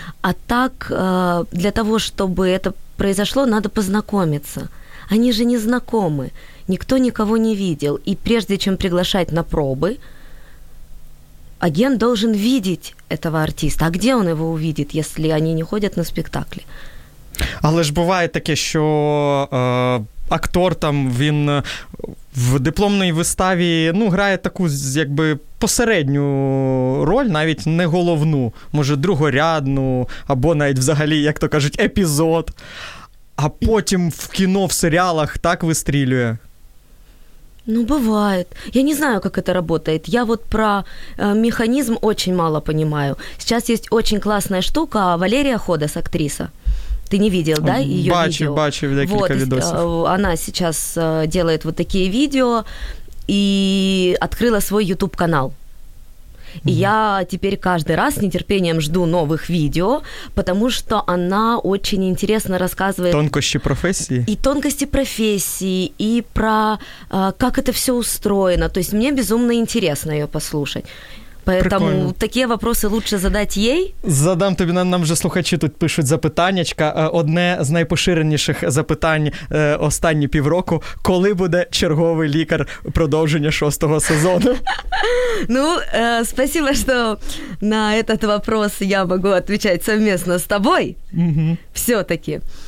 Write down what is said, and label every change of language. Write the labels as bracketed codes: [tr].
[ru] А так, для того, чтобы это произошло, надо познакомиться. Они же не знакомы, никто никого не видел. И прежде чем приглашать на пробы, агент должен видеть этого артиста. А где он его увидит, если они не ходят на спектакли? [uk] Але ж буває таке, що актор там, він в дипломній виставі, ну, грає таку, якби, посередню роль, навіть не головну, може, другорядну, або навіть взагалі, як то кажуть, епізод, а потім в кіно, в серіалах так вистрілює. [ru] Ну, бывает. Я не знаю, как это работает. Я вот про механизм очень мало понимаю. Сейчас есть очень классная штука, Валерия Ходас, актриса. Ты не видел, да, ее [uk] бачу, [ru] видео? [uk] Бачу, бачу декілька відосів. [ru] Она сейчас делает вот такие видео и открыла свой YouTube-канал. И я теперь каждый раз с нетерпением жду новых видео, потому что она очень интересно рассказывает... Тонкости профессии? И тонкости профессии, и про как это все устроено. То есть мне безумно интересно ее послушать. Поэтому прикольно. [uk] Такі вопроси лучше задати їй. Задам тобі, нам вже слухачі тут пишуть запитаннячка. Одне з найпоширеніших запитань останні півроку. Коли буде черговий лікар продовження шостого сезону? [ru] Ну, спасибо, що на этот вопрос я могу отвечать совместно с тобой. Все-таки.